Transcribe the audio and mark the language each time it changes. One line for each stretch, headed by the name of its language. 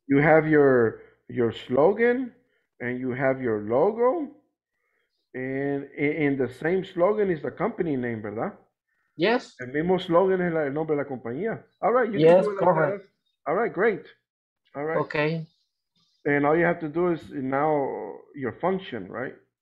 English: You have your slogan, and you have your logo, and in the same slogan is the company name, ¿verdad? Yes.
Spanish: El mismo slogan es el nombre de la compañía.
English: All right. Yes, correct. All right. Great. All right. Okay. And all you have to do is now your function, right?